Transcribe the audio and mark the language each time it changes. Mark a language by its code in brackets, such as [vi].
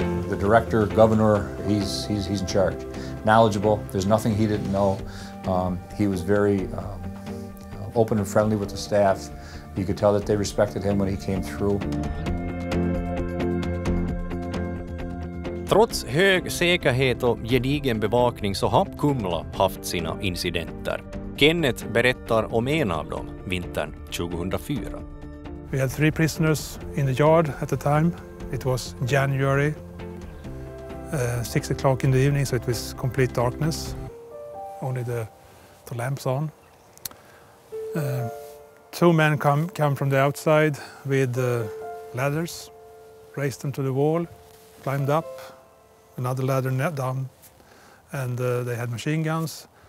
[en] The director, governor, he's in charge. Knowledgeable. There's nothing he didn't know. He was very open and friendly with the staff. You could tell that they respected him when he came through. [sv] Trots hög säkerhet och gedigen bevakning så har Kumla haft sina incidenter. Kenneth berättar om en av dem vintern 2004. [en] We had three prisoners in the yard at the time. It was January. 6 o'clock in the evening, so it was complete darkness. only the lamps on. Two men come from the outside with ladders, raise them to the wall, climbed up, another ladder down, and they had machine guns.